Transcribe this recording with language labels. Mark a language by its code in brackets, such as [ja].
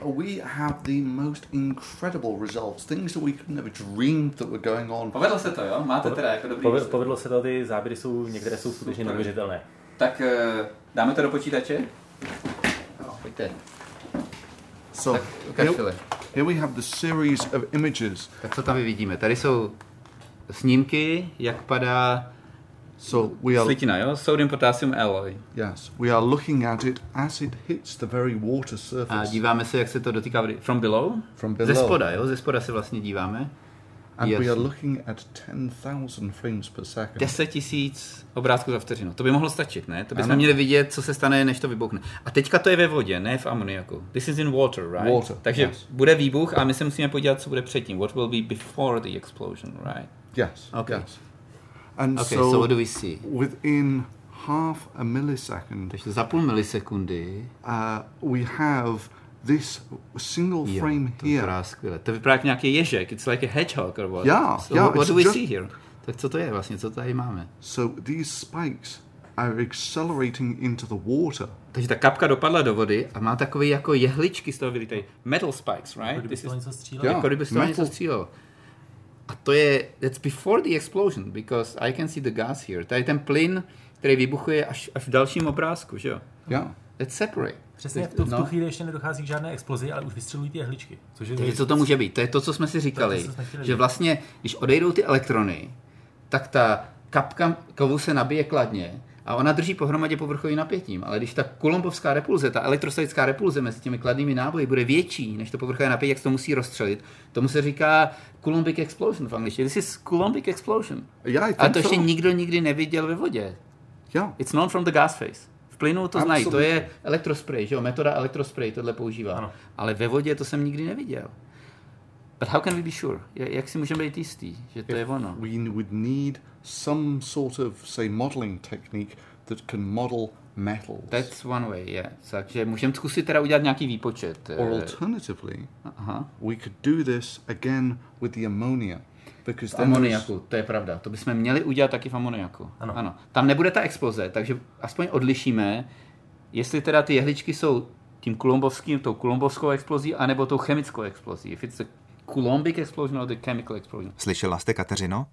[en] We have the most incredible results. Things that we could never dream that were going on. [cs] Povedlo se to, jo? Máte teda jako dobrý... Povedlo se to, ty záběry jsou, některé jsou skutečně neuvěřitelné. Tak dáme to do počítače? No, pojďte. [en] So, here we have the series of images. [cs] Tak co tam vidíme? Tady jsou snímky, jak padá slitina, jo? [en] Sodium potassium alloy. Yes, we are looking at it as it hits the very water surface. [cs] A díváme se, jak se to dotýká [en] from below? From below. [cs] Ze spoda, jo? Ze spoda se vlastně díváme. [en] And yes. We are looking at 10,000 frames per second. [cs] 10,000 obrázků za vteřinu. To by mohlo stačit, ne? To bychom měli vidět, co se stane, než to vybuchne. A teďka to je ve vodě, ne v amoniaku. [en] This is in water, right? Water, [cs] takže [en] yes. [cs] Bude výbuch a my se musíme podívat, co bude předtím. [en] What will be before the explosion, right? Yes, okay. Yes. And okay, so what do we see? Within half a millisecond. [cs] Takže za půl milisekundy. [en] We have... This single frame here. [cs] To je skvělé. To vypadá jak nějaký ježek. [en] It's like a hedgehog or what? Yeah, so yeah. What do we see here? [cs] Tak co to je vlastně? Co tady máme? [en] So these spikes are accelerating into the water. [cs] Takže ta kapka dopadla do vody a má takový jako jehličky z toho vylítají. [en] Metal spikes, right? [cs] Jako kdyby z toho něco střílelo. A to je, [en] that's before the explosion, because I can see the gas here. [cs] To je ten plyn, který vybuchuje až v dalším obrázku, že jo? [en] Yeah. It's separate. [cs] Přesně v tu chvíli ještě nedochází k žádné explozi, ale už vystřelují ty jehličky. Takže co to může být? To je to, co jsme si říkali. Že vlastně, když odejdou ty elektrony, tak ta kapka kovu se nabije kladně a ona drží pohromadě povrchovým napětím. Ale když ta kulombovská repulze, ta elektrostatická repulze mezi těmi kladnými náboji bude větší než to povrchové napětí, jak se to musí rozstřelit, tomu se říká Coulombic explosion v angličtině. [en] This is Coulombic explosion. Yeah, [cs] a to ještě nikdo nikdy neviděl ve vodě. [en] Yeah. It's known from the gas phase. [cs] V plynu to znají, to je elektrospray, že jo? Metoda elektrospray tohle používá. Ano. Ale ve vodě to jsem nikdy neviděl. [en] But how can we be sure? [cs] Jak si můžeme být jistý, že to [en] If [cs] je ono? [en] We would need some sort of, say, modeling technique that can model metals. That's one way, yeah. [cs] Takže můžeme zkusit teda udělat nějaký výpočet. [en] Or alternatively, we could do this again with the ammonia. [cs] V amoniaku, to je pravda. To bychom měli udělat taky v amoniaku. Ano. Ano. Tam nebude ta exploze, takže aspoň odlišíme, jestli teda ty jehličky jsou tím kulombovským, tou kulombovskou explozí, anebo tou chemickou explozí. [en] If it's a Coulombic explosion or the chemical explosion. [cs] Slyšela jste, Kateřino?